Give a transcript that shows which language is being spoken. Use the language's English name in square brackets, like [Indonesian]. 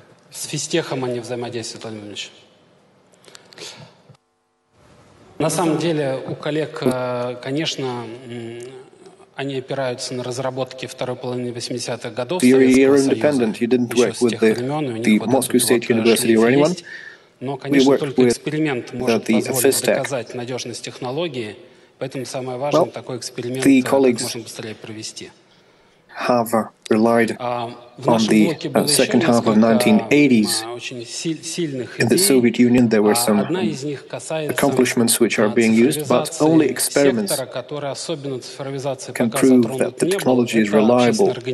[Russian] с физтехом они взаимодействуют, Владимир Владимирович. На самом деле, у коллег, конечно, они опираются на разработки второй половины 80-х годов Советского Союза. [English] You're independent. You didn't work with the Moscow State University or anyone. [Russian] Но, конечно, только эксперимент может позволить доказать надежность технологии. Поэтому самое важное, такой эксперимент можно быстрее провести. [English] Have relied on the second half of 1980s. In the Soviet Union, there were some accomplishments which are being used, but only experiments can prove that the technology is reliable.